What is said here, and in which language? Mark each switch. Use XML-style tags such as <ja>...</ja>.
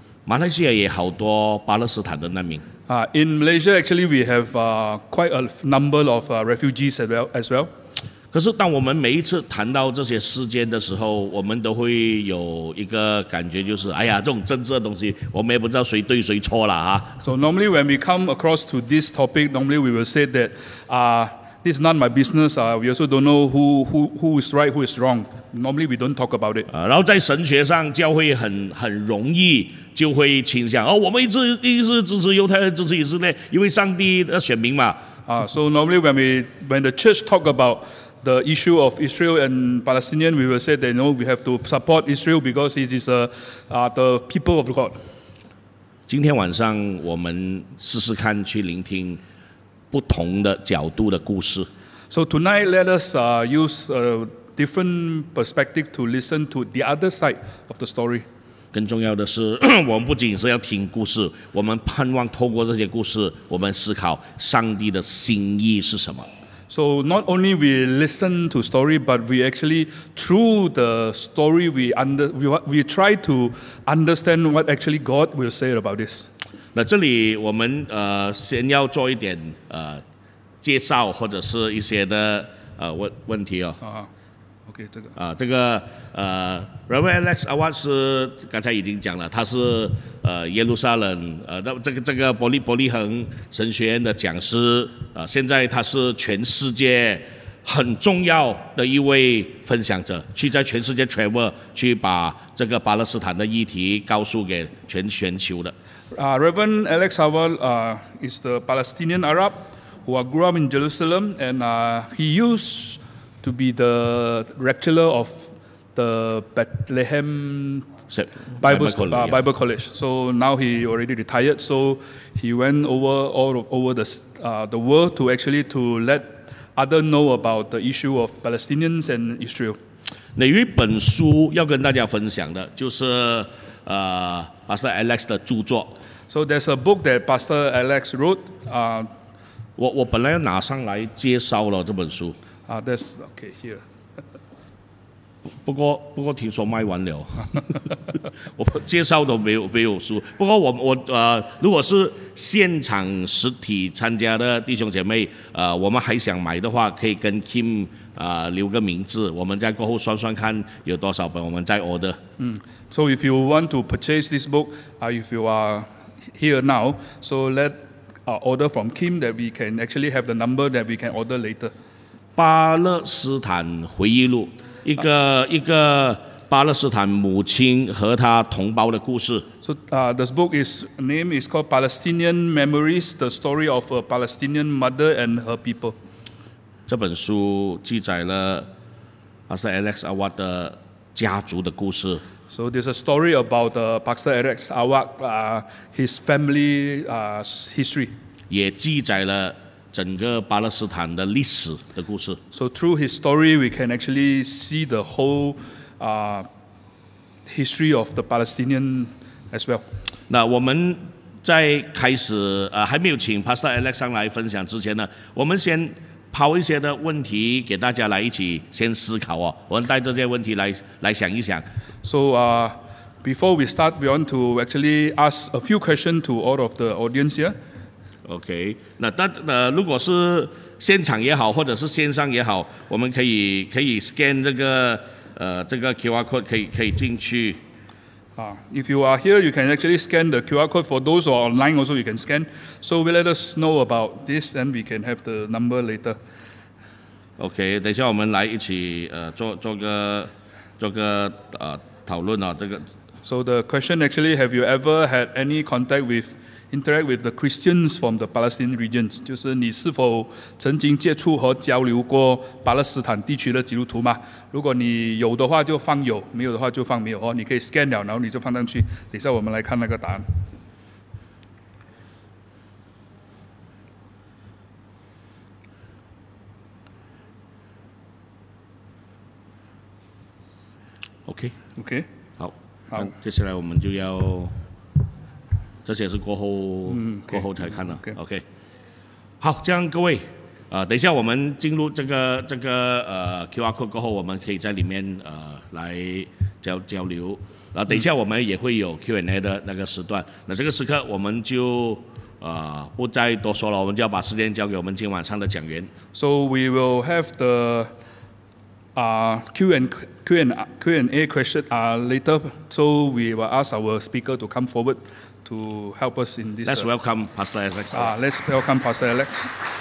<zh>马来西亚也好多巴勒斯坦的难民。</zh> <en>In Malaysia, actually, we have quite a number of refugees as well.</en> <zh>可是当我们每一次谈到这些事件的时候，我们都会有一个感觉，就是哎呀，这种政治的东西，我们也不知道谁对谁错了啊。</zh> <en>So normally when we come across to this topic, normally we will say that, this is not my business. We also don't know who is right, who is wrong. Normally we don't talk about it.</en> <zh>然后在神学上，教会很容易就会倾向，我们一直支持犹太人，支持以色列，因为上帝的选民嘛。</zh> <en>So normally when the church talk about the issue of Israel and Palestinian, we will say that no, we have to support Israel because it is the people of God.</en> <zh>今天晚上我们试试看去聆听不同的角度的故事。</zh> <en>So tonight, let us use a different perspective to listen to the other side of the story.</en> <zh>更重要的是，我们不仅是要听故事，我们盼望透过这些故事，我们思考上帝的心意是什么。</zh> <en>So not only we listen to story, but we actually through the story we try to understand what actually God will say about this.</en> <zh>那这里我们先要做一点介绍或者是一些的问题哦。 Okay, 这个。这个Reverend Alex Awad 是刚才已经讲了，他是耶路撒冷这个伯利恒神学院的讲师，现在他是全世界很重要的一位分享者，去在全世界 travel 去把这个巴勒斯坦的议题告诉给全球的。</zh> <en>Reverend Alex Awad is the Palestinian Arab who grew up in Jerusalem and he used to be the rector of the Bethlehem Bible College. So now he already retired. So he went over all over the world to actually to let other know about the issue of Palestinians and Israel.</en> <zh>哪一本书要跟大家分享的？就是Pastor Alex 的著作。</zh> <en>So there's a book that Pastor Alex wrote.</en> <zh>我本来要拿上来介绍了这本书。</zh> <en>That's okay here.</en> <zh>不过听说卖完了，我介绍都没有书。不过我如果是现场实体参加的弟兄姐妹，我们还想买的话，可以跟 Kim 留个名字，我们再过后算算看有多少本，我们再 order。</zh> <en>So if you want to purchase this book, if you are here now, so let order from Kim that we can actually have the number that we can order later.</en> <zh>巴勒斯坦回忆录。一个巴勒斯坦母亲和他同胞的故事。</zh> <en>So, this book is name is called Palestinian Memories, the story of a Palestinian mother and her people.</en> <zh>这本书记载了Pastor Alex Awad的家族的故事。</zh> <en>So, this is a story about Pastor Alex Awad, his family, history.</en> <zh>也记载了整个巴勒斯坦的历史的故事。</zh> <en>So through his story, we can actually see the whole, history of the Palestinian as well.</en> <zh>那我们在开始还没有请 Pastor Alex 上来分享之前呢，我们先抛一些的问题给大家来一起先思考哦。我们带着这些问题来想一想。</zh> <en>So, before we start, we want to actually ask a few questions to all of the audience here.</en> <zh>OK， 那如果是现场也好，或者是线上也好，我们可以 scan 这个 QR code， 可以进去。</zh> <en>If you are here, you can actually scan the QR code. For those who are online, also you can scan. So we let us know about this, and we can have the number later.</en> <zh>OK， 等一下我们来一起做个讨论啊，这个。</zh> <en>So the question actually, have you ever had any contact withinteract with the Christians from the Palestinian regions，</en> <zh>就是你是否曾经接触和交流过巴勒斯坦地区的基督徒吗？如果你有的话就放有，没有的话就放没有，你可以 scan 了，然后你就放上去，等一下我们来看那个答案。</zh> <en>OK，</en> <zh>好，好，接下来我们就要这些是过后、过后才看的。 OK， 好，这样各位，等一下我们进入这个QR code 过后，我们可以在里面来交流。然后等一下我们也会有 Q&A 的那个时段。那这个时刻我们就不再多说了，我们就要把时间交给我们今晚上的讲员。</zh> <en>So we will have the Q&A question later. So we will ask our speaker to come forward. To help us in this. Let's welcome Pastor Alex. Let's welcome Pastor Alex.</en>